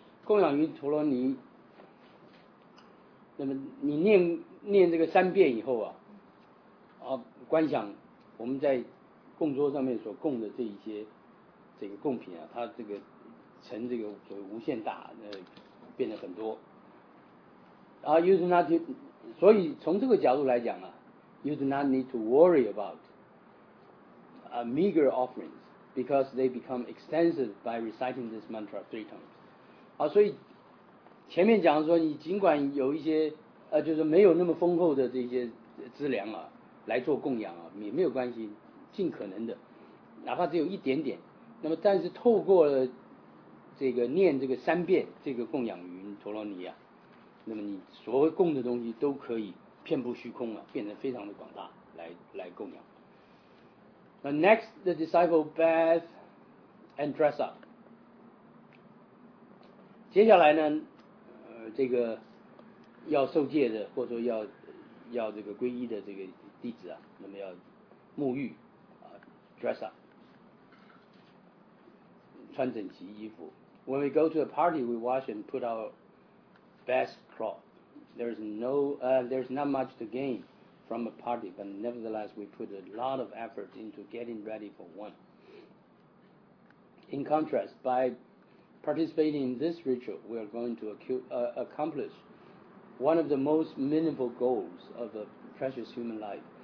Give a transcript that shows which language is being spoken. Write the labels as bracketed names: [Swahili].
[Chinese] 供养云陀罗尼，那么你念念这个三遍以后啊，观想我们在供桌上面所供的这一些这个供品啊，它这个成这个所谓无限大，变得很多。然后 [English] use not to, [Chinese] 所以从这个角度来讲啊 [English] ，you do not need to worry about a meager offerings because they become extensive by reciting this mantra three times. [Chinese] 啊，所以前面讲说，你尽管有一些就是没有那么丰厚的这些资粮啊，来做供养啊，也没有关系，尽可能的，哪怕只有一点点，那么但是透过了这个念这个三遍这个供养云陀罗尼啊，那么你所谓供的东西都可以遍布虚空啊，变得非常的广大来供养。 [English] Now, next, the disciple bath and dress up. [Chinese] 接下来呢？这个要受戒的或者说要这个皈依的这个弟子啊，那么要沐浴啊 [English] dress up [Chinese] 穿整齐衣服。 [English] When we go to a party we wash and put our best cloth. There's not much to gain from a party but nevertheless we put a lot of effort into getting ready for one. In contrast, byparticipating in this ritual, we are going to accomplish one of the most meaningful goals of a precious human life.